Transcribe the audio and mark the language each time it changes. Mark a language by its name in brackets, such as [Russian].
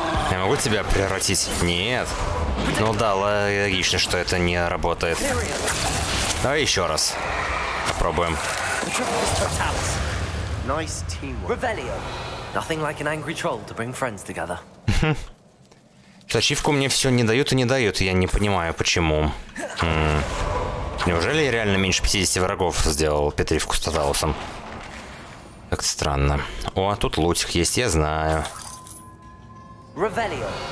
[Russian] Я могу тебя превратить? Нет. Ну да, логично, что это не работает. Давай еще раз. Попробуем. [English] Nothing like an angry troll to bring friends together. [Russian] Ачивку мне все не дают и не дают. Я не понимаю, почему. Неужели я реально меньше 50 врагов сделал Петривку с Таталусом? Как-то странно. О, а тут лутик есть, я знаю. Ревелио.